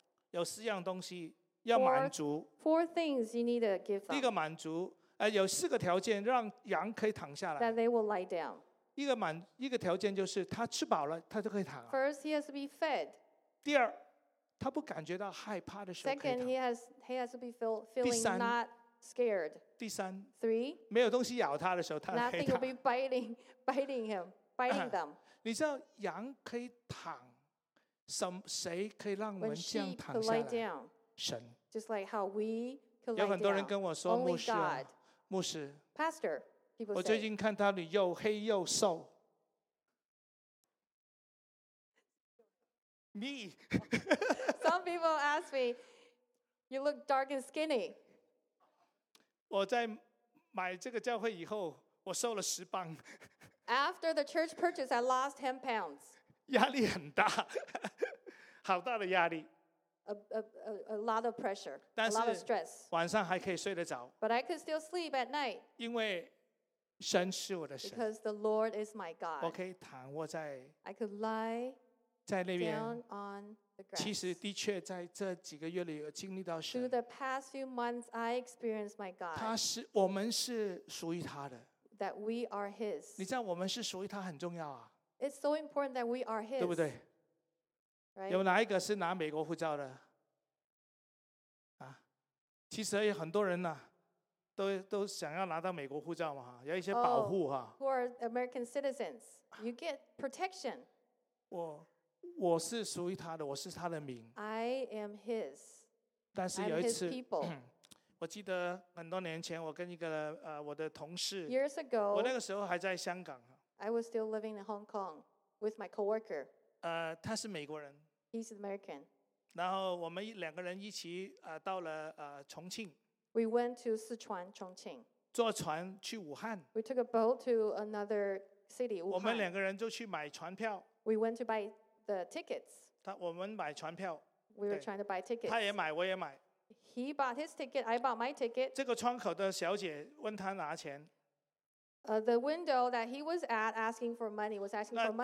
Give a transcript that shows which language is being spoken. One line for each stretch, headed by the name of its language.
Chinese: 有四样东西要满足。
English: Four things you need to give up.
Chinese: 第一个满足，有四个条件让羊可以躺下来。
English: That they will lie down.
Chinese: 一个条件就是他吃饱了，他就可以躺了。
English: First, he has to be fed.
Chinese: 第二。他不感觉到害怕的时候可以躺。
English: Second, he has to be feeling not scared.
Chinese: 第三。
English: Three.
Chinese: 没有东西咬他的时候，他可以躺。
English: Nothing will be biting them.
Chinese: 你知道羊可以躺，谁可以让我们这样躺下来？
English: When sheep could lie down.
Chinese: 神。
English: Just like how we could lie down.
Chinese: 有很多人跟我说，牧师、啊，牧师。
English: Pastor, people say.
Chinese: 我最近看到你又黑又瘦。
English: Me. Some people ask me, "You look dark and skinny."
Chinese: 我在买这个教会以后，我瘦了十磅。
English: After the church purchase, I lost 10 pounds.
Chinese: 压力很大，好大的压力。
English: A lot of pressure, a lot of stress.
Chinese: 晚上还可以睡得着。
English: But I could still sleep at night.
Chinese: 因为神是我的神。
English: Because the Lord is my God.
Chinese: 我可以躺卧在。
English: I could lie.
Chinese: 在那边。
English: Down on.
Chinese: 其实的确在这几个月里有经历到神。
English: Through the past few months, I experienced my God.
Chinese: 我们是属于他的。
English: That we are His.
Chinese: 你知道我们是属于他很重要啊。
English: It's so important that we are His.
Chinese: 对不对？
English: Right?
Chinese: 有哪一个是拿美国护照的？啊，其实有很多人呢、啊，都想要拿到美国护照嘛，有一些保护哈、啊。
English: Oh, who are American citizens? You get protection.
Chinese: 我是属于他的，我是他的名。
English: I am his.
Chinese: 但是有一次
English: I'm his people.
Chinese: 我记得很多年前，我跟一个我的同事。
English: Years ago.
Chinese: 我那个时候还在香港。
English: I was still living in Hong Kong with my coworker.
Chinese: 他是美国人。
English: He's American.
Chinese: 然后我们两个人一起到了重庆。
English: We went to Sichuan, Chongqing.
Chinese: 坐船去武汉。
English: We took a boat to another city, Wuhan.
Chinese: 我们两个人就去买船票。
English: We went to buy. The tickets.
Chinese: 我们买船票。
English: We were trying to buy tickets.
Chinese: 他也买，我也买。
English: He bought his ticket. I bought my ticket.
Chinese: 这个窗口的小姐问他拿钱。
English: The window that he was at asking for money was asking for money from my coworker.